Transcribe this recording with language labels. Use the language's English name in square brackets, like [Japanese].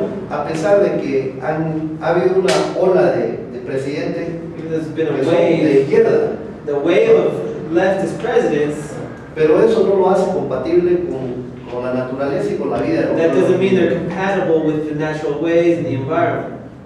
[Spanish] a pesar de que ha habido una ola de presidentes. [English] There's been a wave, the wave of leftist presidents. [Spanish] Pero eso no lo hace compatible con la naturaleza y con la vida. [English] That doesn't mean they're compatible with the natural ways and the environment.